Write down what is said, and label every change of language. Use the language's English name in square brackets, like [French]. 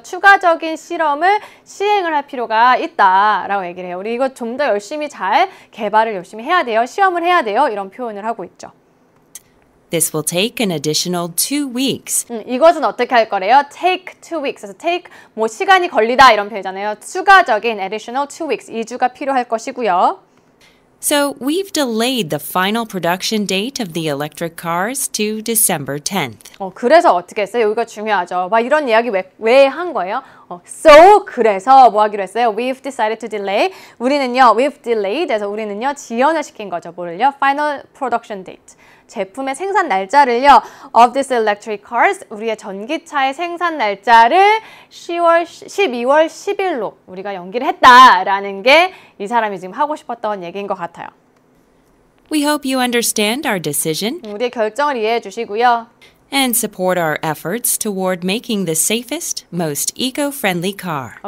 [Korean] 추가적인 실험을 시행을 할 필요가 있다라고 얘기를 해요. 우리 이거 좀 더 열심히 잘 개발을 열심히 해야 돼요. 시험을 해야 돼요. 이런 표현을 하고 있죠. [English] This will take an additional 2 weeks. [Korean] 이것은 어떻게 할 거래요? [English] Take 2 weeks. [Korean] 그래서 take 뭐 시간이 걸리다 이런 표현이잖아요. 추가적인 [English] additional 2 weeks. [Korean] 2주가 필요할 것이고요. [English] So we've delayed the final production date of the electric cars to December 10th. [Korean] 그래서 어떻게 했어요? 여기가 중요하죠. 막 이런 이야기 왜 한 거예요? So 그래서 뭐 하기로 했어요? [English] We've decided to delay. [Korean] 우리는요. [English] We've delayed. [Korean] 그래서 우리는요. 지연을 시킨 거죠. 뭐를요? [English] Final production date. [Korean] 제품의 생산 날짜를요. [English] Of this electric cars. [Korean] 우리의 전기차의 생산 날짜를 12월 10일로 우리가 연기를 했다라는 게 이 사람이 지금 하고 싶었던 얘기인 것 같아요. [English] We hope you understand our decision. [Korean] 우리의 결정을 이해해 주시고요. [English] And support our efforts toward making the safest, most eco-friendly car.